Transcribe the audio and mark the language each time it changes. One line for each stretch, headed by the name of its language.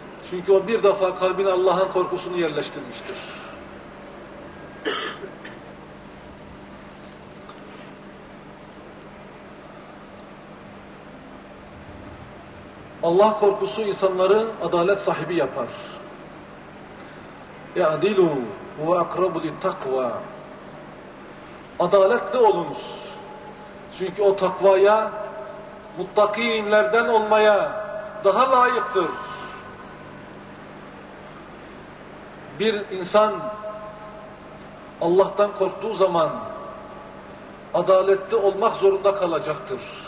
Turkish: Çünkü o bir defa kalbine Allah'ın korkusunu yerleştirmiştir. Allah korkusu insanları adalet sahibi yapar.
Arabic: اَعْدِلُوا وَاَقْرَبُ لِلْتَقْوَى
Turkish: Adaletli olunuz. Çünkü o takvaya, muttakînlerden olmaya daha layıktır. Bir insan Allah'tan korktuğu zaman adaletli olmak zorunda kalacaktır.